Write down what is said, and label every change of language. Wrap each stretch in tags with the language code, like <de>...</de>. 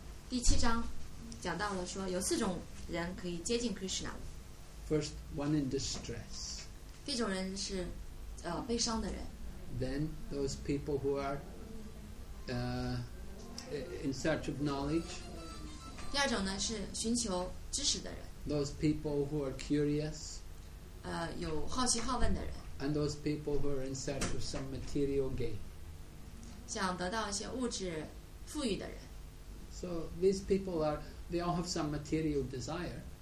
<zh>第七章讲到了说有四种人可以接近 Krishna.</zh> <en>First, one in distress.</en> <zh>第一种人是, 悲伤的人。</zh> <en>Then, those people who are in search of knowledge.</en> <zh>第二种呢是寻求知识的人。</zh> <en>Those people who are curious.</en> <zh>有好奇好问的人。</zh> <en>And those people who are in search of some material gain.</en> <zh>想得到一些物质富裕的人。</zh> <en>So these people are, they all have some material desire.</en>